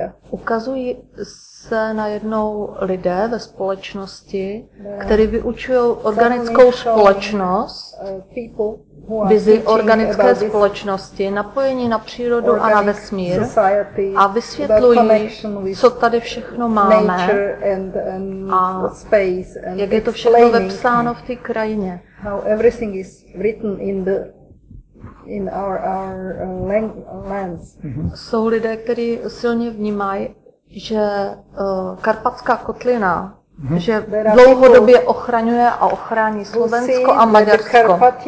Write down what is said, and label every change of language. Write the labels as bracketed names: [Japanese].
[Czech] Ukazují se najednou lidé ve společnosti, kteří vyučují organickou společnost, vizi organické společnosti, napojení na přírodu a na vesmír a vysvětlují, co tady všechno máme a jak je to všechno vepsáno v té krajině. [English] How everything is written in our lands. [Czech] Jsou lidé, kteří silně vnímají, že Karpatská kotlina, že dlouhodobě ochraňuje a ochrání Slovensko a Maďarsko.